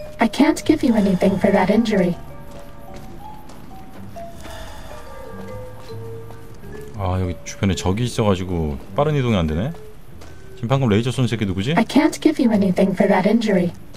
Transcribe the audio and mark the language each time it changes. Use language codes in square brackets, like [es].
[en] I can't give you anything for that injury. [ko] 아, 여기 주변에 적이 있어가지고 빠른 이동이 안 되네. 지금 방금 레이저 쏜 새끼 누구지? [en] I can't give you anything for that injury.